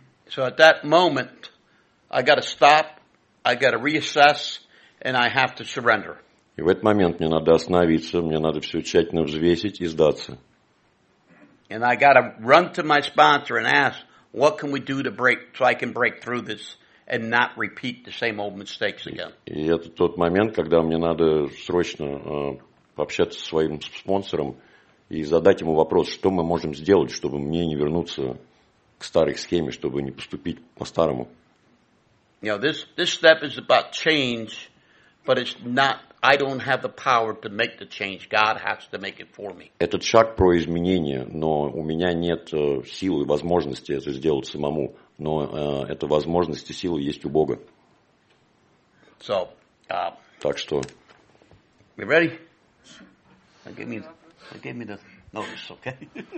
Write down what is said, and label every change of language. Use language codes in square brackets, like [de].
[en] So at that moment, I got to stop I got to reassess and I have to surrender. [ru] И в этот момент мне надо остановиться, мне надо все тщательно взвесить и сдаться. [en] And I got to run to my sponsor and ask, what can we do to break, so I can break through this and not repeat the same old mistakes again. [ru] И это тот момент, когда мне надо срочно пообщаться со своим спонсором и задать ему вопрос, что мы можем сделать, чтобы мне не вернуться к старой схеме, чтобы не поступить по-старому. [en] You know, this step is about change, but it's not, I don't have the power to make the change. God has to make it for me. [ru] Этот шаг про изменение, но у меня нет силы, возможности это сделать самому. Но эта возможность и сила есть у Бога. [en] So, [ru] так что... [en] You ready? Give me the notice, okay?